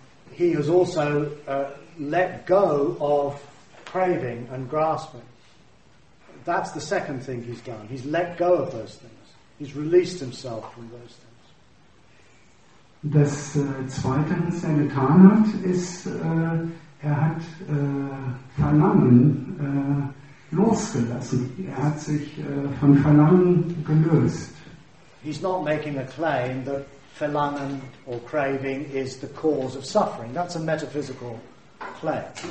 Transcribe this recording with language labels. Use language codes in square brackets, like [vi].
[en] He has also let go of craving and grasping. That's the second thing he's done. He's let go of those things. He's released himself from those things. [de] Das Zweite, was er getan hat, ist, er hat Verlangen losgelassen. Er hat sich von Verlangen gelöst. [en] He's not making a claim that Verlangen or craving is the cause of suffering. That's a metaphysical claim.